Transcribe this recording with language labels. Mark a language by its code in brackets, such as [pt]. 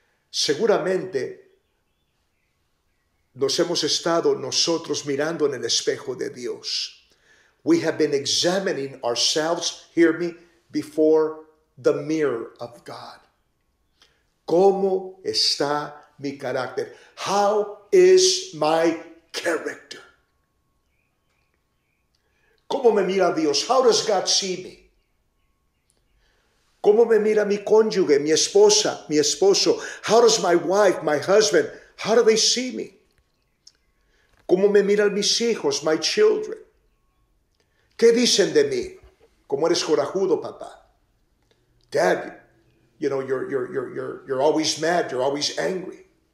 [es] Seguramente nos hemos estado nosotros mirando en el espejo de Dios. [en] We have been examining ourselves, hear me, before the mirror of God. [es] ¿Cómo está mi carácter? [en] How is my character? [es] ¿Cómo me mira Dios? [en] How does God see me? [es] ¿Cómo me mira mi cónyuge, mi esposa, mi esposo? [en] How does my wife, my husband, how do they see me? [es] ¿Cómo me miran mis hijos, [en] my children? [es] ¿Qué dicen de mí? ¿Cómo eres corajudo, papá? [en] Dad, you know, you're always mad, you're always angry.